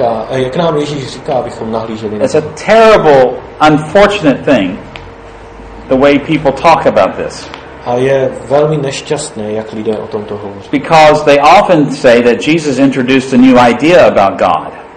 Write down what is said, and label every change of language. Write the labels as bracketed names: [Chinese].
[Czech] Jak nám Ježíš říká, abychom nahlíželi na Boha? [English] It's a terrible, unfortunate thing, the way people talk about this. [Czech] A je velmi nešťastné, jak lidé o tomto hovoří. [English] Because they often say that Jesus introduced a new idea about God.